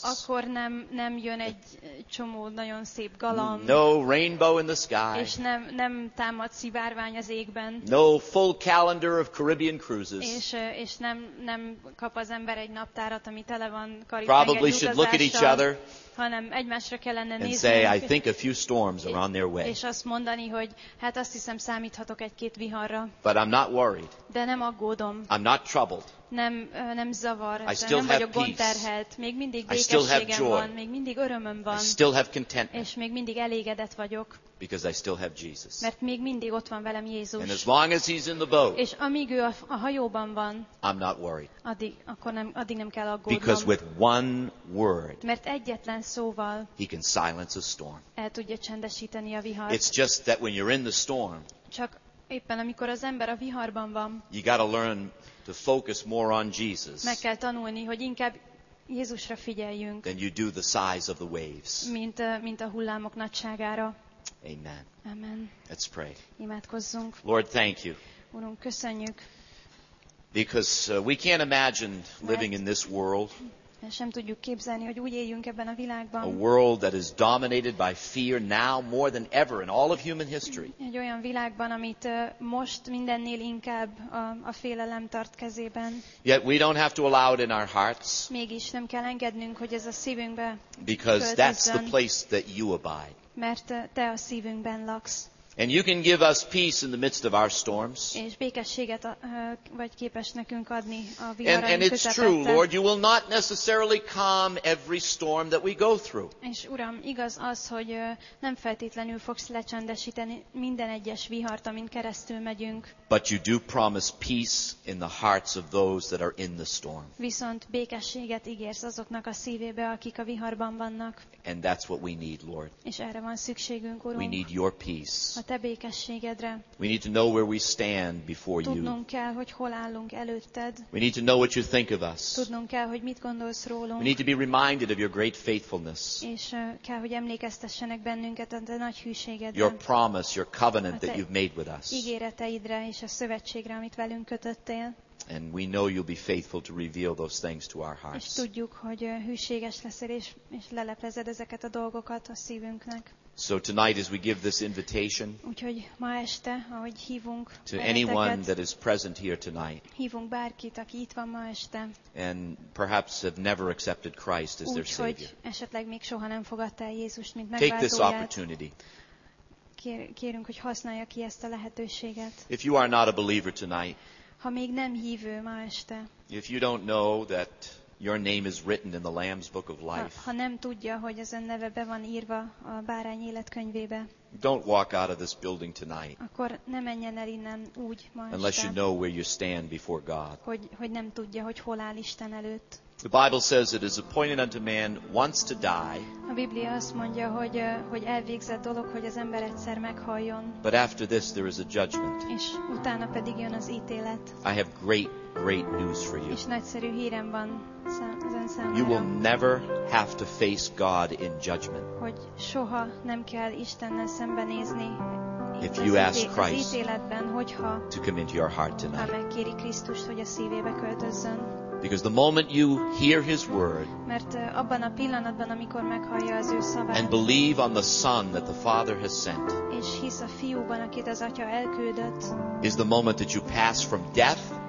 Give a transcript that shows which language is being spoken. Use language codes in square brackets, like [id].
[hu] Akkor nem jön egy csomó nagyon szép galamb. [en] No rainbow in the sky. [hu] És nem támad szivárvány az égben. [en] No full calendar of Caribbean cruises. [hu] És nem kap az ember egy naptárat, ami tele van karib-tengeri. [en] Probably should look at each other. [hu] Hanem egymásra kellene nézni. [en] And say, I think a few storms are on their way. [hu] És azt mondani, hogy hát azt hiszem számíthatok egy-két viharra. [en] But I'm not worried. [hu] De nem aggódom. [en] I'm not troubled. [hu] Nem zavar, nem vagyok gondterhelt, még mindig békességem van, még mindig örömöm van, és még mindig elégedett vagyok, mert még mindig ott van velem Jézus. [en] And as long as he's in the boat, [hu] és amíg ő a hajóban van, [en] I'm not worried, [hu] addig nem kell aggódnom, [en] because with one word, [hu] mert egyetlen szóval [en] he can silence a storm. [hu] El tudja csendesíteni a vihart. [en] It's just that when you're in the storm, [hu] csak éppen amikor az ember a viharban van, [en] you gotta learn to focus more on Jesus. [hu] Meg kell tanulni, hogy inkább Jézusra figyeljünk. [en] Then you do the size of the waves. [hu] Mint a hullámok nagyságára. [en] Amen. [hu] Amen. [en] Let's pray. [hu] Imádkozzunk. [en] Lord, thank you. [hu] Urunk, köszönjük. [en] Because we can't imagine living in this world. [hu] Sem tudjuk képzelni, hogy úgy éljünk ebben a világban. [en] A world that is dominated by fear now more than ever in all of human history. [hu] Egy olyan világban, amit most mindennél inkább a félelem tart kezében. [en] Yet we don't have to allow it in our hearts. [hu] Mégis nem kell engednünk, hogy ez a szívünkbe költözzön. [en] Because that's the place that you abide. [hu] Mert te a szívünkben laksz. [en] And you can give us peace in the midst of our storms. [hu] És békességet vagy képes nekünk adni a viharaink közepette. [en] And it's true, Lord, you will not necessarily calm every storm that we go through. [hu] És Uram, igaz az, hogy nem feltétlenül fogsz lecsendesíteni minden egyes vihart, amin keresztül megyünk. [en] But you do promise peace in the hearts of those that are in the storm. [hu] Viszont békességet ígérsz azoknak a szívébe, akik a viharban vannak. [en] And that's what we need, Lord. [hu] És erre van szükségünk, Urunk. [en] We need your peace. [hu] A te békességedre. [en] We need to know where we stand before you. [hu] Tudnunk kell, hogy hol állunk előtted. [en] We need to know what you think of us. [hu] Tudnunk kell, hogy mit gondolsz rólunk. [en] We need to be reminded of your great faithfulness. [hu] És kell, hogy emlékeztessenek bennünket a te nagy hűségedre. [en] Your promise, your covenant that you've made with us. [hu] Ígéreteidre és a szövetségre, amit velünk kötöttél. [en] And we know you'll be faithful to reveal those things to our hearts. [hu] És tudjuk, hogy hűséges leszel és leleplezed ezeket a dolgokat a szívünknek. [en] So tonight as we give this invitation, [hu] úgyhogy ma este, ahogy hívunk [en] to anyone that is present here tonight, [hu] hívunk bárkit, aki itt van ma este, [en] and perhaps have never accepted Christ as their Savior, [hu] úgyhogy esetleg még soha nem fogadta el Jézust, mint megváltóját. [en] Take this opportunity. [hu] Kérünk, hogy használja ki ezt a lehetőséget. [en] If you are not a believer tonight, [hu] ha még nem hívő ma este, [en] if you don't know that your name is written in the Lamb's Book of Life, [hu] ha nem tudja, hogy az ön neve be van írva a bárány életkönyvébe, [en] don't walk out of this building tonight, [hu] akkor ne menjen el innen úgy ma este, [en] unless you know where you stand before God, [hu] hogy nem tudja, hogy hol áll Isten előtt. [en] The Bible says it is appointed unto man once to die. [hu] A Biblia azt mondja, hogy elvégzett dolog, hogy az ember egyszer meghaljon. [en] But after this there is a judgment. [hu] És utána pedig jön az ítélet. [en] I have great news for you. [hu] És nagyszerű hírem van az ön számára. [en] You will never have to face God in judgment. [hu] Hogy soha nem kell Istennel szembenézni. [en] If you ask Christ [hu] életben, [en] to come into your heart tonight. [hu] Ha megkéri Krisztust, hogy a szívébe költözzön. [en] Because the moment you hear his word, [hu] mert abban a pillanatban, amikor meghallja az ő szavát, [en] and believe on the Son that the Father has sent, [hu] és hisz a fiúban, akit az atya elküldött, [en] is the moment that you pass from death,